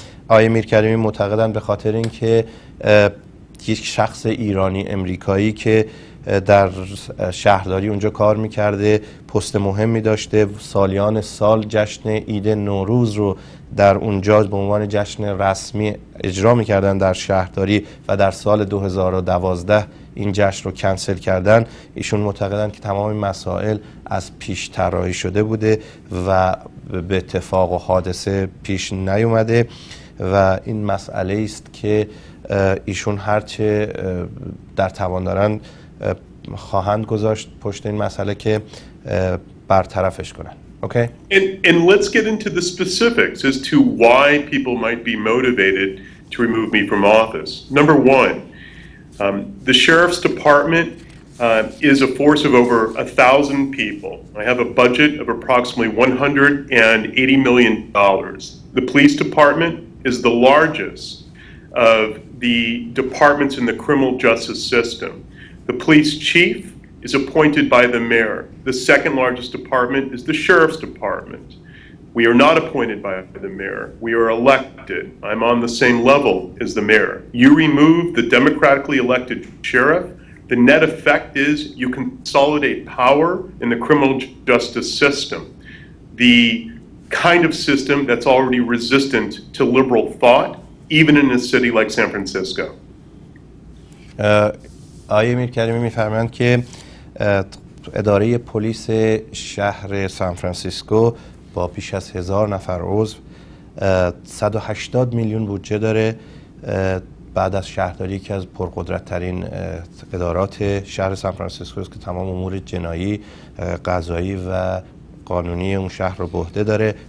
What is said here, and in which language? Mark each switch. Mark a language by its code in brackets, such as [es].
[fa] آقای میرکریمی معتقدن به خاطر اینکه یک شخص ایرانی امریکایی که در شهرداری اونجا کار میکرده، پست مهم میداشته، سالیان سال جشن عید نوروز رو در اونجا به عنوان جشن رسمی اجرا میکردن در شهرداری و در سال 2012 این جشن رو کنسل کردن، ایشون معتقدن که تمام مسائل از پیش طراحی شده بوده و به اتفاق و حادثه پیش نیومده و این مسئله است که ایشون هرچه در توان دارن خواهند گذاشت پشت این مسئله که برطرفش کنن. اوکی. [en] And let's get into the specifics as to why people might be motivated to remove me from office. Number one, the sheriff's department is a force of over 1,000 people. I have a budget of approximately $180 million. The police department is the largest of the departments in the criminal justice system. The police chief is appointed by the mayor. The second largest department is the sheriff's department. We are not appointed by the mayor. We are elected. I'm on the same level as the mayor. You remove the democratically elected sheriff, the net effect is you consolidate power in the criminal justice system, the kind of system that's already resistant to liberal thought, even in a city like San Francisco. [fa] آقای میرکریمی میفرمایند که اداره پلیس شهر سان فرانسیسکو با بیش از 1000 نفر عضو 180 میلیون بودجه داره، بعد از شهرداری که از پرقدرت‌ترین ادارات شهر سان فرانسیسکو است که تمام امور جنایی، قضایی و قانونی اون شهر رو به عهده داره.